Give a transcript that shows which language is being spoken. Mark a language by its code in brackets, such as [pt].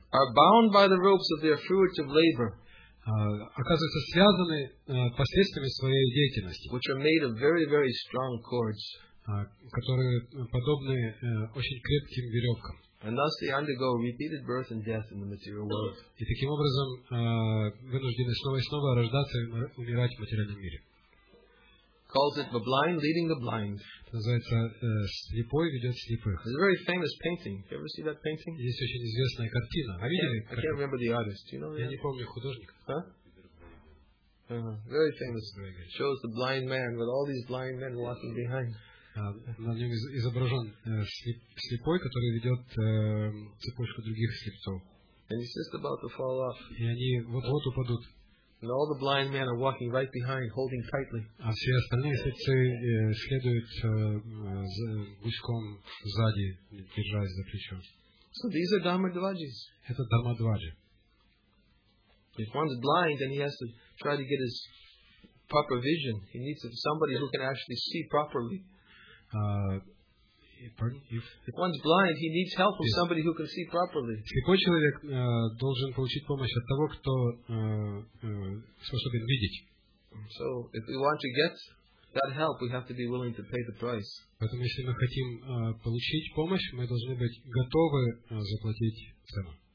[en] are bound by the ropes of their fruitive labor, [ru] оказываются связаны последствиями своей деятельности, [en] which are made of very, very strong cords, [ru] которые подобны очень крепким веревкам. [en] And thus they undergo repeated birth and death in the material world. [ru] И таким образом вынуждены снова и снова рождаться и умирать в материальном мире. [en] Calls it the blind leading the blind. [ru] Называется слепой ведет слепых. [en] It's a very famous painting. You ever see that painting? [ru] Есть очень известная картина. А видели? [en] I can't remember the artist. Do you know? [ru] Я не помню художника. [en] Huh? Very famous. Shows the blind man with all these blind men walking behind. [ru] На нем изображен слепой, который ведет цепочку других слепцов. [en] And he's just about to fall off. [ru] И они вот-вот упадут. [en] And all the blind men are walking right behind, holding tightly. [ru] А все остальные сыцы следуют гуськом сзади, держась за плечо. [en] So these are dharma dvajis. [ru] Это dharma dvaji. [en] If one's blind, then he has to try to get his proper vision. He needs somebody who can actually see properly. If one's blind, he needs help from somebody who can see properly. [ru] Слепой человек должен получить помощь от того, кто способен видеть. [en] So, if we want to get that help, we have to be willing to pay the price. [ru] Поэтому, если мы хотим получить помощь, мы должны быть готовы заплатить цену.